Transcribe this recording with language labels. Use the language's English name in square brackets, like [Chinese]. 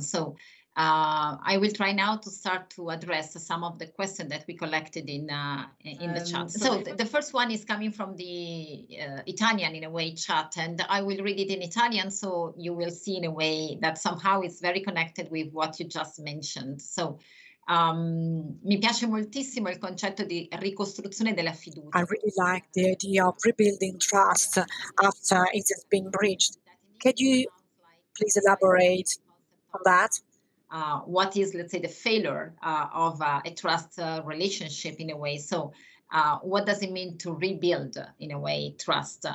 [English] So I will try now to start to address some of the questions that we collected in the chat. So the first one is coming from the Italian in a way chat, and I will read it in Italian. So you will see in a way that somehow it's very connected with what you just mentioned. [Italian] So mi piace moltissimo il concetto di ricostruzione della fiducia. [English] I really like the idea of rebuilding trust after it has been breached. Can you please elaborate on that? What is, let's say, the failure of a trust relationship in a way? So what does it mean to rebuild, in a way, trust?